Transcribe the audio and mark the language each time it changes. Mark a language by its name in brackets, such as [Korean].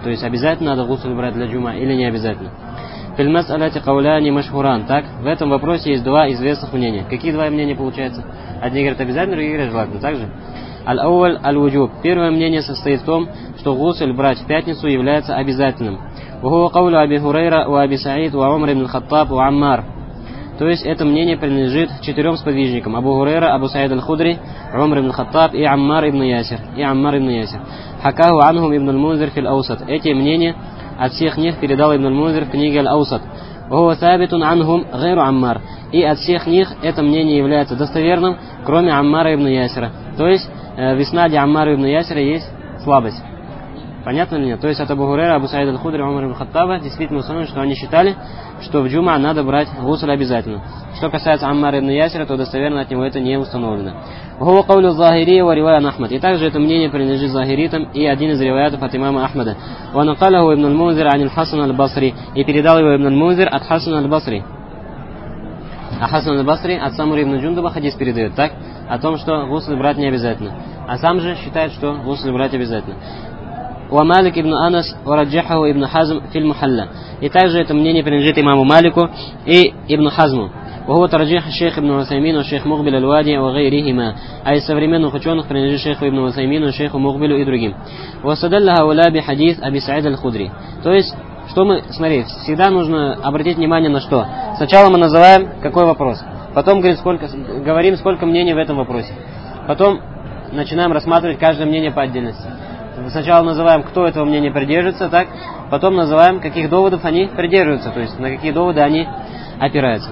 [Russian] То есть, обязательно надо гусль брать для джума или не обязательно? [Arabic] Фильмас аляти кауляни машхуран. [Russian] Так, в этом вопросе есть два известных мнения. Какие два мнения получаются? Одни говорят обязательно, другие говорят желательно. Так же? [Arabic] Аль-Ауаль Аль-Вуджуб. [Russian] Первое мнение состоит в том, что гусль брать в пятницу является обязательным. [Arabic] وهو قول أبي هريرة وأبي سعيد وعمر بن الخطاب وعمار. [Russian] То есть это мнение принадлежит четырем сподвижникам: Абу Хурейра, Абу Саид аль-Худри, Умар ибн Хаттаб и Аммар ибн Ясир. [Arabic] Хакаху анхум ибн аль-Мунзир фи аль-Аусат. [Russian] Эти мнения от всех них передал ибн аль-Мунзир в книге аль-Аусат. [Arabic] وهو ثابت عنهم غير عمار. [Russian] И от всех них это мнение является достоверным, кроме Аммара ибн Ясира. То есть в иснаде Аммара ибн Ясира есть слабость. Понятно ли нет? То есть от Абу Хурейра, Абу Саида аль-Худри, Умар ибн Хаттаба действительно установлено, что они считали, что в джума надо брать гусль обязательно. Что касается Аммара ибн Ясира, то достоверно от него это не установлено. [Arabic] Гуа кавлю захирия ва ривая на Ахмад. [Russian] И также это мнение принадлежит захиритам и один из риваятов от имама Ахмада. [Arabic] Ва накалаху ибн аль-Мунзир ани аль-Хасан аль-Басри. [Russian] И передал его ибн аль-Мунзир от Хасана аль-Басри. А Хасан аль-Басри от Самури ибн Джундуба хадис передает, так? О том, что гусль брать не обязательно. А сам же считает, что гусль брать обязательно. [Arabic] ومالك ابن أنس ورجحه ابن حزم في المحلة. [Russian] И также это мнение принадлежит имаму Малику и ибн Хазму. [Arabic] وهو ترجيح الشيخ ابن عثيمين والشيخ مقبل الوادي وغيرهما. [Russian] А из современных ученых принадлежит шейх ибн Усаймин, шейх مقبل и другим. [Arabic] واستدل هؤلاء بحديث أبي سعيد الخدري. [Russian] То есть, что мы, смотри, всегда нужно обратить внимание на что. Сначала мы называем какой вопрос. Потом говорим, сколько мнений в этом вопросе. Потом начинаем рассматривать каждое мнение по отдельности. Сначала называем, кто этого мнения придерживается, так? Потом называем, каких доводов они придерживаются, то есть на какие доводы они опираются.